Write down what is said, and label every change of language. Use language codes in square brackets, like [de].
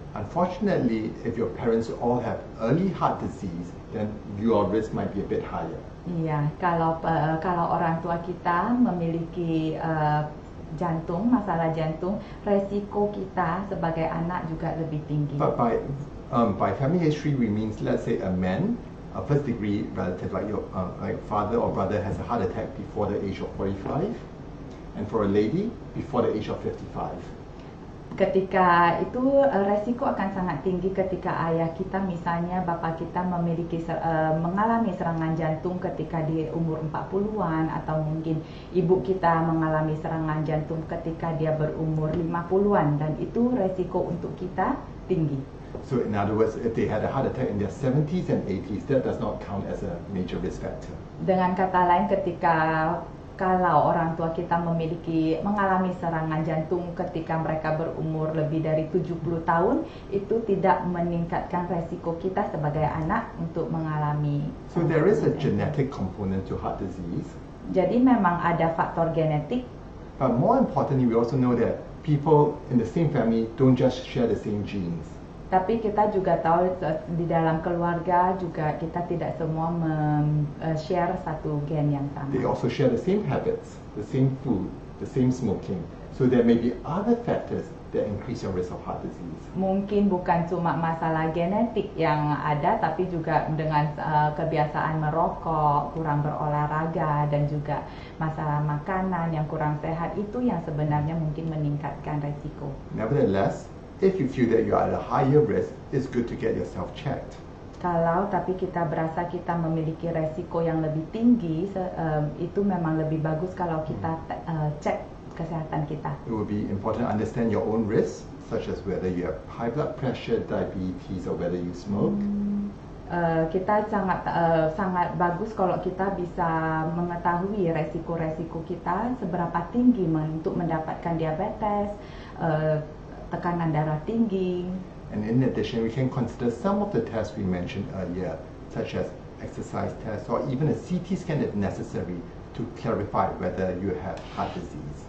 [en] Unfortunately, if your parents all have early heart disease, then your risk might be a bit higher. [id] Iya, kalau orang tua kita memiliki jantung, masalah jantung, resiko kita sebagai anak juga lebih tinggi. [en] But by family history, we means let's say a man, a first degree relative like your father or brother has a heart attack before the age of 45, and for a lady before the age of 55. [id] Ketika itu resiko akan sangat tinggi ketika ayah kita misalnya bapak kita memiliki mengalami serangan jantung ketika di umur 40-an atau mungkin ibu kita mengalami serangan jantung ketika dia berumur 50-an dan itu resiko untuk kita tinggi. [en] So in other words, if they had a heart attack in their 70s and 80s, that does not count as a major risk factor. [id] Dengan kata lain ketika kalau orang tua kita memiliki mengalami serangan jantung ketika mereka berumur lebih dari 70 tahun, itu tidak meningkatkan resiko kita sebagai anak untuk mengalami. [en] So there is a genetic component to heart disease. [id] Jadi memang ada faktor genetik. [en] But more importantly, we also know that people in the same family don't just share the same genes. [id] Tapi kita juga tahu di dalam keluarga juga kita tidak semua share satu gen yang sama. [en] They also share the same habits, the same food, the same smoking. So there may be other factors that increase your risk of heart disease. [id] Mungkin bukan cuma masalah genetik yang ada, tapi juga dengan kebiasaan merokok, kurang berolahraga, dan juga masalah makanan yang kurang sehat itu yang sebenarnya mungkin meningkatkan resiko. [en] Nevertheless, if you feel that you are at a higher risk, it's good to get yourself checked. [id] Kalau tapi kita berasa kita memiliki resiko yang lebih tinggi, itu memang lebih bagus kalau kita cek kesehatan kita. [en] It would be important to understand your own risk, such as whether you have high blood pressure, diabetes, or whether you smoke. [id] Kita sangat sangat bagus kalau kita bisa mengetahui resiko-resiko kita seberapa tinggi untuk mendapatkan diabetes, tekanan darah tinggi. [en] And in addition, we can consider some of the tests we mentioned earlier, such as exercise tests or even a CT scan if necessary to clarify whether you have heart disease.